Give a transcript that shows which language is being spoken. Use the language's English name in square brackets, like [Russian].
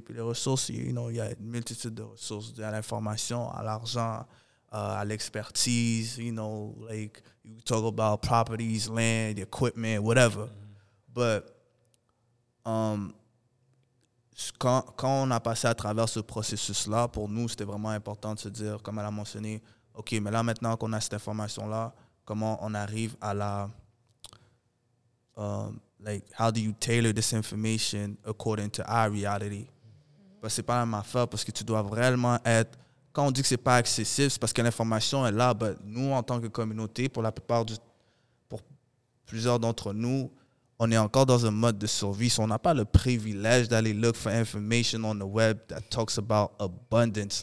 [French] Puis les ressources, [English] you know, [French] y a une multitude de ressources. À l'information, à l'argent, à l'expertise, [English] you know, like, you talk about properties, land, equipment, whatever. [French] Mm-hmm. But, quand on a passé à travers ce processus-là, pour nous, c'était vraiment important de se dire, comme elle a mentionné, OK, mais là, maintenant qu'on a cette information-là, comment on arrive à la... [English] like, how do you tailor this information according to our reality? Mm-hmm. [French] Ben, c'est pas la même affaire, parce que tu dois vraiment être... Quand on dit que c'est pas accessible, c'est parce que l'information est là, mais nous, en tant que communauté, pour la plupart du... pour plusieurs d'entre nous, on est encore dans un mode de survie. On n'a pas le privilège d'aller [English] look for information on the web that talks about abundance.